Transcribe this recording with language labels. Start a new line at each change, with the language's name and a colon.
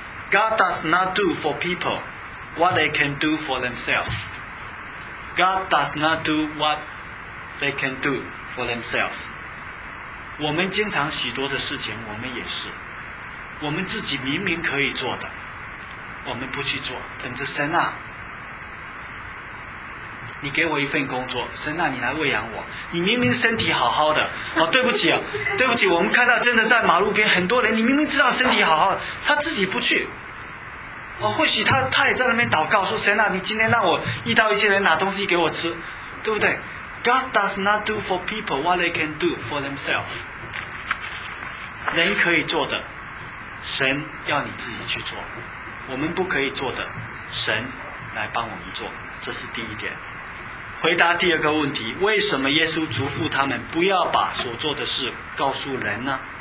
English: God does not do for people what they can do for themselves. God does not do what they can do for themselves.
Chinese: 我们经常许多的事情，我们也是，我们自己明明可以做的，我们不去做，等着神啊，你给我一份工作，神啊，你来喂养我。你明明身体好好的，哦，对不起啊，对不起，我们看到真的在马路边很多人，你明明知道身体好好的，他自己不去。哦，或许他也在那边祷告说，神啊，你今天让我遇到一些人拿东西给我吃，对不对？
English: God does not do for people what they can do for themselves.
Chinese: 人可以做的，神要你自己去做。我们不可以做的，神来帮我们做。这是第一点。回答第二个问题，为什么耶稣嘱咐他们不要把所做的事告诉人呢？